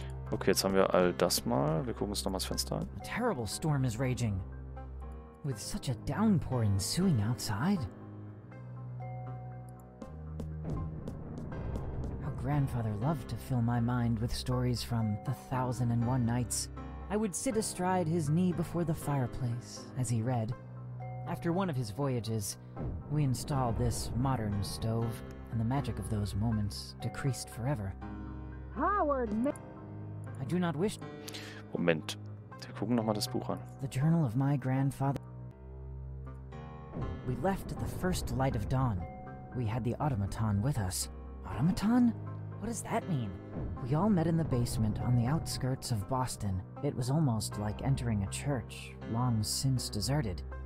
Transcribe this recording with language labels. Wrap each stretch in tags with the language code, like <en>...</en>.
<de>Okay, jetzt haben wir all das mal. Wir gucken uns nochmal das Fenster an.</de> <en>A terrible storm is raging. With such a downpour ensuing outside. How grandfather loved to fill my mind with stories from the Thousand and One Nights. I would sit astride his knee before the fireplace as he read. After one of his voyages, we installed this modern stove, and the magic of those moments decreased forever. Howard, I do not wish.</en> <de>Moment, wir gucken noch mal das Buch an.</de> <en>The journal of my grandfather. We left at the first light of dawn. We had the automaton with us. Automaton? What does that mean? We all met in the basement on the outskirts of Boston. It was almost like entering a church, long since deserted.</en>